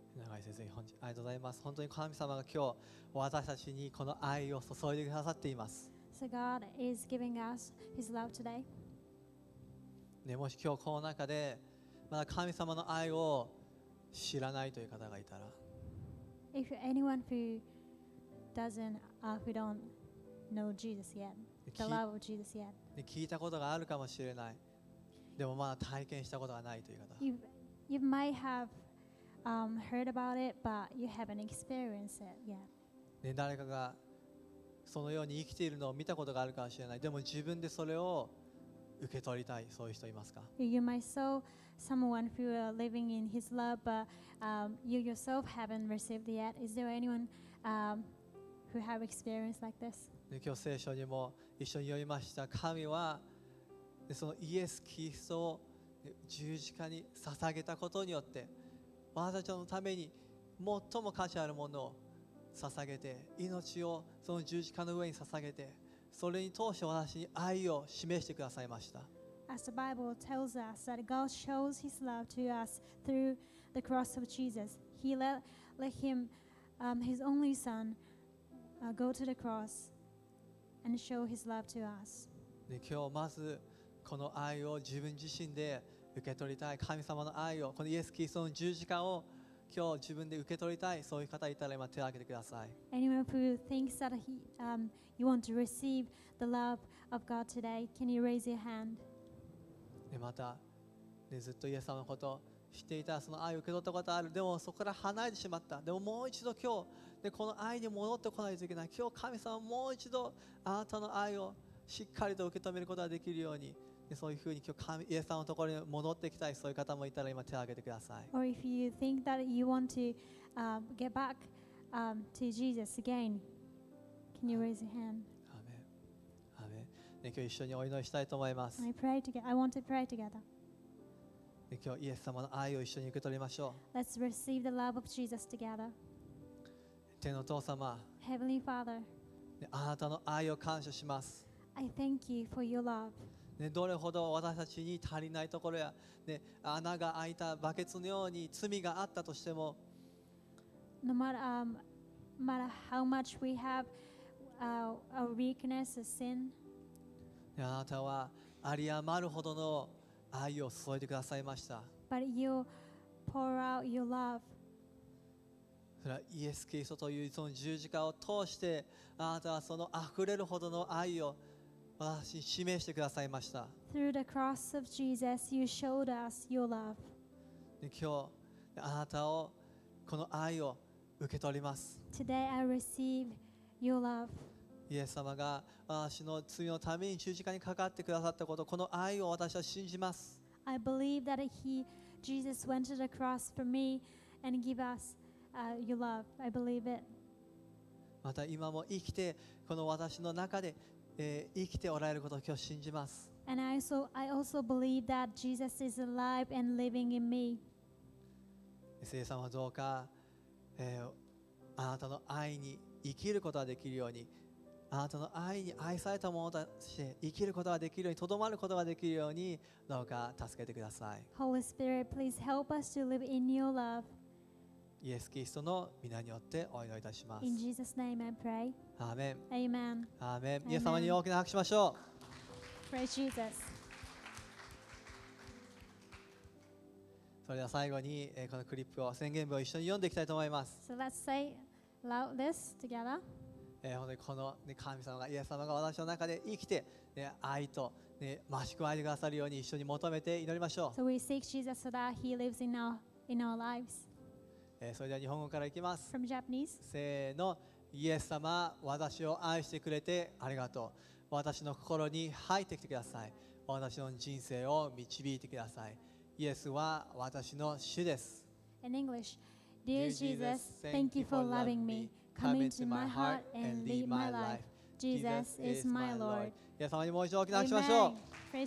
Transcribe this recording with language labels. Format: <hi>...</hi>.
<ja>ありがとうございます。本当に神様が今日私たちにこの愛を注いでくださっています。</ja> <en>So God is giving us His love today.、</en> <ja>ね、もし今日この中でまだ神様の愛を知らないという方がいたら、</ja> <en>If anyone who doesn't who don't know Jesus yet, the love of Jesus yet、</en> <ja>ね、聞いたことがあるかもしれない、でもまだ体験したことがないという方、</ja> <en>You might haveheard about it, but you haven't experienced it yet.、</en> <ja>ね、誰かがそのように生きているのを見たことがあるかもしれない。でも自分でそれを受け取りたい、そういう人いますか。</ja> <en>You might saw someone who are living in His love, but、you yourself haven't received it yet. Is there anyone、who have experienced like this?、</en> <ja>ね、今日聖書にも一緒に読みました。神は、ね、そのイエス・キリストを、ね、十字架に捧げたことによって。私たちのために最も価値あるものを捧げて、命をその十字架の上に捧げて、それに通して私に愛を示してくださいました。</ja> <en>As the Bible tells us that God shows His love to us through the cross of Jesus, He let Him, His only Son, go to the cross and show his love to us.</en> <ja>今日まずこの愛を自分自身で受け取りたい、神様の愛を、このイエス・キリストの十字架を今日自分で受け取りたい、そういう方いたら今手を挙げてください。</ja> <en>Anyone who thinks that he, you want to receive the love of God today, can you raise your hand?</en> <ja>また、ね、ずっとイエス様のこと知っていた、その愛を受け取ったことある、でもそこから離れてしまった、でももう一度今日、ね、この愛に戻ってこないといけない、今日神様もう一度あなたの愛をしっかりと受け止めることができるように、そういうふうに今日神イエス様のところに戻っていきたい、そういう方もいたら今手を挙げてください。</ja> <en>Or if you think that you want to get back to Jesus again, can you raise your hand?</en> <ja>アーメン、アーメン、ね、今日一緒にお祈りしたいと思います。</ja> <en>I want to pray together、</en> <ja>ね、今日イエス様の愛を一緒に受け取りましょう。</ja> <en>Let's receive the love of Jesus together.</en> <ja>天の父様、</ja> <en>Heavenly Father、</en> <ja>ね、あなたの愛を感謝します。</ja> <en>I thank you for your love</en> <ja>ね、どれほど私たちに足りないところや、ね、穴が開いたバケツのように罪があったとしても、</ja> <en>No matter, matter how much we have, our weakness, sin,</en> <ja>あなたはあり余るほどの愛を注いでくださいました。</ja> <en>But you pour out your love.</en> <ja>それはイエス・キリストというその十字架を通して、あなたはその溢れるほどの愛を私たちに示してくださいました。</ja> <en>Through the cross of Jesus, you showed us your love.</en> <ja>今日あなたをこの愛を受け取ります。</ja> <en>Today I receive your love.</en> <ja>イエス様が私の罪のために十字架にかかってくださったこと、この愛を私は信じます。</ja> <en>I believe that he, Jesus went to the cross for me and give us your love. I believe it.</en> <ja>また今も生きてこの私の中で生きておられることを今日信じます。</ja> <en>And I also believe that Jesus is alive and living in me.</en> <ja>聖霊様、どうか、あなたの愛に生きることができるように、あなたの愛に愛されたものとして生きることができるように、とどまることができるように、どうか助けてください。</ja> <en>Holy Spirit, please help us to live in your love.</en> <ja>イエス・キリストの御名によってお祈りいたします。</ja> <en>In Jesus' name I pray.</en> <ja>アーメン、アーメン、アーメン。イエス様に大きな拍手しましょう。</ja> <en>Praise Jesus。</en> <ja>それでは最後にこのクリップを、宣言文を一緒に読んでいきたいと思います。</ja> <en>So let's say loud this together。</en> <ja>本当にこの神様が、イエス様が私の中で生きて、愛と増し加えてくださるように一緒に求めて祈りましょう。</ja> <en>So we seek Jesus so that he lives in our lives。</en> <ja>それでは日本語からいきます。</ja> <en>From Japanese。</en> <ja>せーの、イエス様、私を愛してくれてありがとう。私の心に入ってきてください。私の人生を導いてください。イエスは私の主です。</ja> <en>In English, Dear Jesus, thank you for loving me. Come into my heart and lead my life. Jesus is my Lord.</en> <ja>イエス様にもう一度大きな拍手しましょう。</ja>